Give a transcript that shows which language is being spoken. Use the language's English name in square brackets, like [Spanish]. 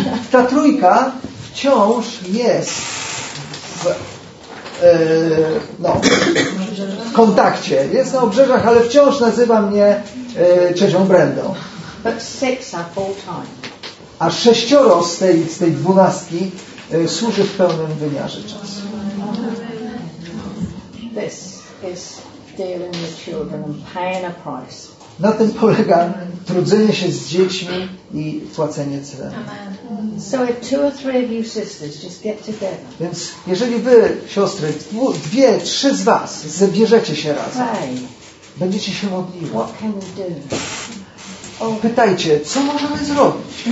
[Polish] Ta trójka wciąż jest w kontakcie. Jest na obrzeżach, ale wciąż nazywa mnie ciocią Brendą. [English] But six are full time. [Polish] A sześcioro z tej dwunastki służy w pełnym wymiarze czasu. [English] This is dealing with children and paying a price. [Polish] Na tym polega trudzenie się z dziećmi i płacenie ceny. [English] So if two or three of you sisters just get together. [Polish] Więc jeżeli wy, siostry, dwie, trzy z was zebierzecie się razem, [English] pray. [Polish] Będziecie się modliły. [English] What can we do? [Polish] Pytajcie, co możemy zrobić?